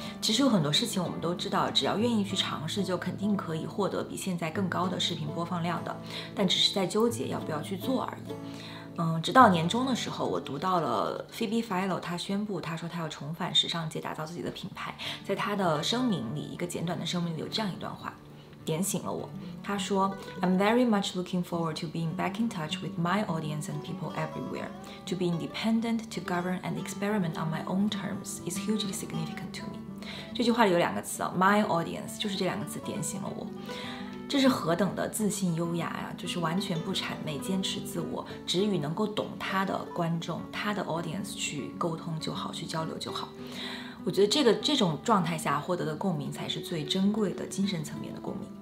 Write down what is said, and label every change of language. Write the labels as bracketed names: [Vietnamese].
[Chinese] 其实有很多事情我们都知道，只要愿意去尝试，就肯定可以获得比现在更高的视频播放量的，但只是在纠结要不要去做而已。直到年终的时候，我读到了 Phoebe Philo， 他宣布，他说他要重返时尚界，打造自己的品牌。在他的声明里，一个简短的声明里有这样一段话，点醒了我。他说 [English] ：“I'm very much looking forward to being back in touch with my audience and people everywhere. To be independent, to govern and experiment on my own terms is hugely significant to me.” [Chinese] 这句话里有两个词啊 ， [English] my audience [Chinese] 就是这两个词点醒了我。这是何等的自信优雅呀，就是完全不谄媚，坚持自我，只与能够懂他的观众，他的 audience 去沟通就好，去交流就好。我觉得这种状态下获得的共鸣才是最珍贵的精神层面的共鸣。